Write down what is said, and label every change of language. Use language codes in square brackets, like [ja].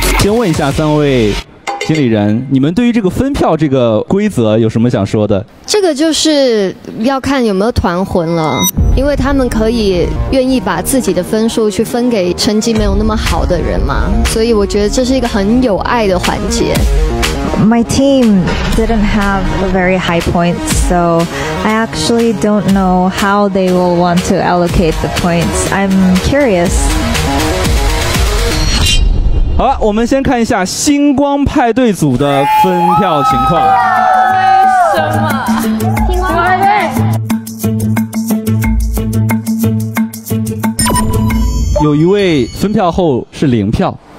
[zh] 先问一下三位经理人，你们对于这个分票这个规则有什么想说的？这个就是要看有没有团魂了，因为他们可以愿意把自己的分数去分给成绩没有那么好的人嘛，所以我觉得这是一个很有爱的环节。 [en] My team didn't have a very high points, so I actually don't know how they will want to allocate the points. I'm curious. [zh] 好了，我们先看一下星光派对组的分票情况。为什么？星光派对。有一位分票后是零票。